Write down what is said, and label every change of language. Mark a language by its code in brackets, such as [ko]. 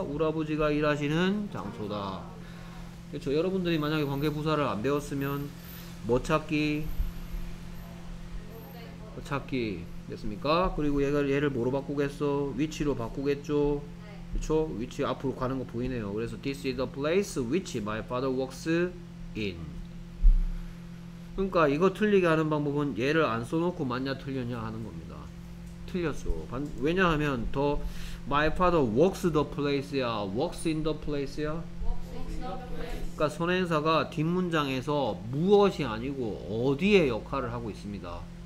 [ko] 우리 아버지가 일하시는 장소다. 그렇죠. 여러분들이 만약에 관계부사를 안 배웠으면 뭐 찾기? 뭐 찾기 됐습니까? 그리고 얘를 뭐로 바꾸겠어? 위치로 바꾸겠죠. 그렇죠? 위치 앞으로 가는 거 보이네요. [en] 그래서 this is the place which my father works in. [ko] 그러니까 이거 틀리게 하는 방법은 얘를 안 써놓고 맞냐 틀렸냐 하는 겁니다. 틀렸어. 왜냐하면 더 [en] my father works the place야, [ko] works in the place야. 그러니까 선행사가 뒷문장에서 무엇이 아니고 어디에 역할을 하고 있습니다.